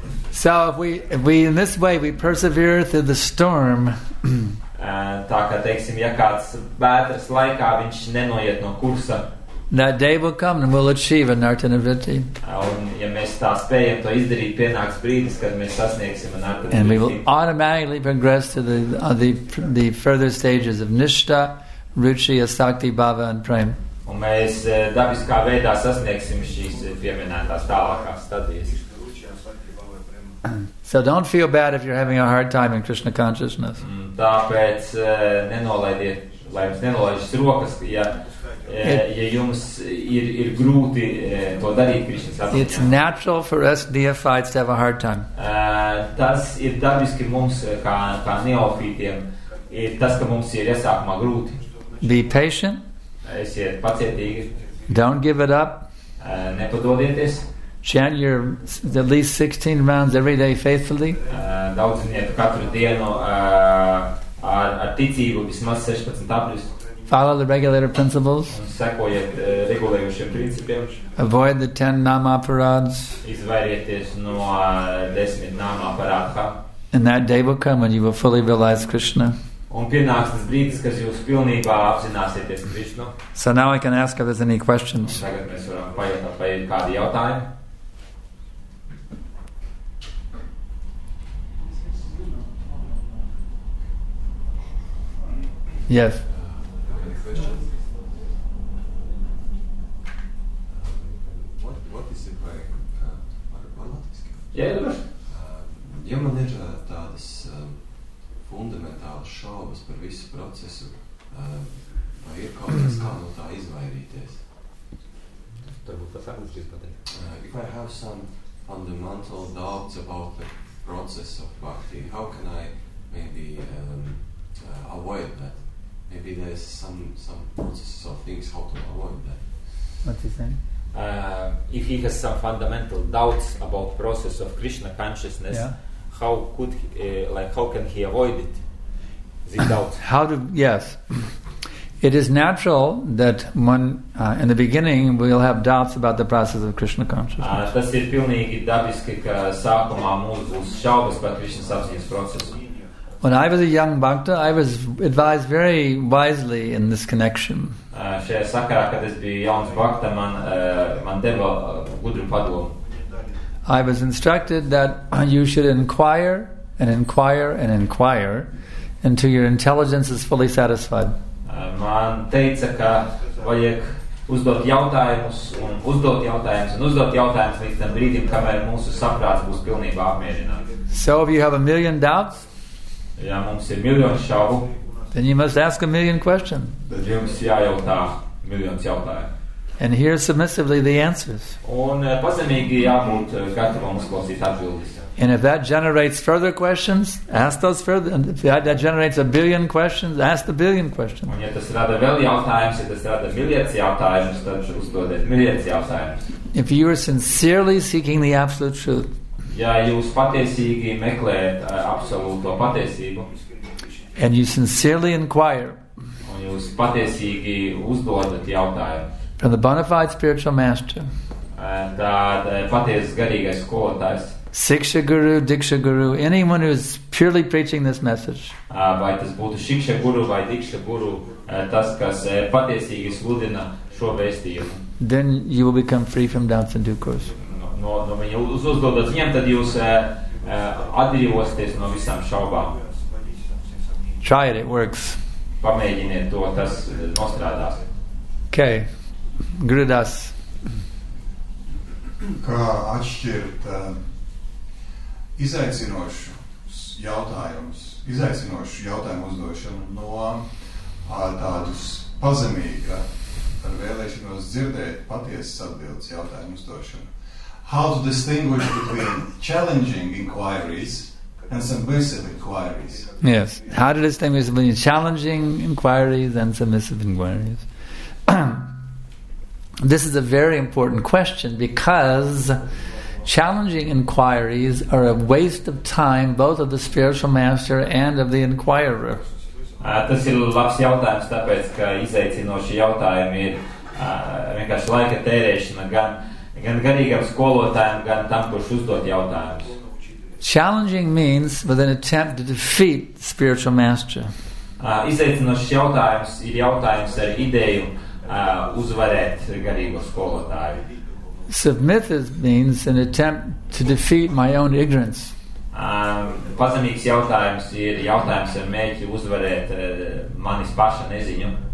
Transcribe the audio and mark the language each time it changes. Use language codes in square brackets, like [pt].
[en] So if we in this way we persevere through the storm, [lv] tā kā teiksim, ja kāds bētras laikā viņš nenoiet no kursa, [en] that day will come and we'll achieve anarjana vritti. [lv] Un ja mēs tā spējam to izdarīt, pienāks brīdis, kad mēs sasniegsim anarjana vritti. [en] And we will automatically progress to the further stages of nishta, ruchi, asakti, bhava and prema. [lv] Un mēs dabiskā veidā sasniegsim šīs pieminētās tālākās stadijas. [en] So don't feel bad if you're having a hard time in Krishna consciousness. [lv] Tāpēc nenolaidiet, lai jums nenolaidžas rokas, ja jums ir grūti to darīt Krishna sapratā. [en] It's natural for us neophytes to have a hard time. [lv] Tas ir dabiski mums, kā neofītiem, ir tas, ka mums ir iesākumā grūti. [en] Be patient. [lv] Esiet pacietīgi. [en] Don't give it up. [lv] Nepadodieties. [en] Chant your at least 16 rounds every day faithfully. [lv] Daudziniet katru dienu ar ticību vismaz 16 aplis. [en] Follow the regulator principles. [lv] Sekojiet regulējušiem principiem. [en] Avoid the 10 nama parāds. [lv] Izvairieties no 10 nama parādha. [en] And that day will come when you will fully realize Krishna. [lv] Un pienāks tas brīdis, kad jūs pilnībā apzināsieties Krishnu. [en] So now I can ask if there's any questions. [lv] Un tagad mēs varam pajautāt, vai ir kādi jautājumi. [en] Yeah. Yes. What is it like? Yeah. [lv] Man ir tādas fundamentālas šaubas par visu procesu, vai ir kaut kas kā no tā izvairīties? Varbūt tas arī patīk. [en] If I have some fundamental doubts about the process of bhakti, how can I maybe avoid that? Maybe there's some processes or things how to avoid that. What is that? If he has some fundamental doubts about process of Krishna consciousness, yeah. How could how can he avoid it? The doubts. Yes. It is natural that one, in the beginning, we'll have doubts about the process of Krishna consciousness. [lv] Tas ir pilnīgi dabiski, ka sākumā mums būs šaubas par Krishna sapziņas procesu. [en] When I was a young bhakta, I was advised very wisely in this connection. [lv] Šajā sakarā, kad es biju jauns bhakta, man deva gudru padomu. [en] I was instructed that you should inquire and inquire and inquire until your intelligence is fully satisfied. [lv] Man teica, ka vajag uzdot jautājumus līdz tam brīdim, kamēr mūsu saprāts būs pilnībā apmierināts. [en] So if you have a million doubts, [lv] ja mums ir miljons šaubu, [en] then you must ask a million questions. [lv] Tad jums jājautā miljons jautājumu. [en] And hear submissively the answers. [lv] Un pazemīgi jābūt gatavam uzklausīt atbildes. [en] And if that generates further questions, ask those further. If that generates a billion questions, ask the billion questions. [lv] Un ja tas rada vēl jautājums, ja tas rada miljards jautājumus, tad uzdodiet miljards jautājumus. [en] If you are sincerely seeking the absolute truth, [lv] ja jūs patiesīgi meklējat absolūto patiesību, [en] and you sincerely inquire, [lv] un jūs patiesīgi uzdodat jautājumu, [en] from the bona fide spiritual master, [lv] tad paties garīgais skolotājs, [en] Siksha Guru, Diksha Guru, anyone who is purely preaching this message. [lv] Vai tas būtu Siksha Guru vai Diksha Guru, tas, kas patiesīgi sludina šo vēstījumu. [en] Then you will become free from doubts in due course. [lv] No viņa uzdodas ņem, tad jūs atbrīvosieties no visām šaubām. [en] Try it, it works. [lv] Pamēģiniet to, tas nostrādās. [en] Okay, Gurudas. [lv] Kā atšķirt... Izaicinošu jautājumu uzdošanu no tādus pazemīga ar vēlēšanos dzirdēt patiesas atbildes jautājumu uzdošanu. [en] How to distinguish between challenging inquiries and submissive inquiries? Yes, how to distinguish between challenging inquiries and submissive inquiries? This is a very important question because challenging inquiries are a waste of time both of the spiritual master and of the inquirer. [lv] Tas ir labs jautājums, tāpēc, ka izaicinoši jautājumi ir vienkārši laika tērēšana gan garīgam skolotājam, gan tam, kurš uzdot jautājumus. [en] Challenging means with an attempt to defeat spiritual master. [lv] Izaicinošs jautājums ir jautājums ar ideju uzvarēt garīgo skolotāju. [en] Submissive means an attempt to defeat my own ignorance. [lv] Pazemīgs jautājums ir jautājums ar mēķi uzvarēt manis paša neziņu.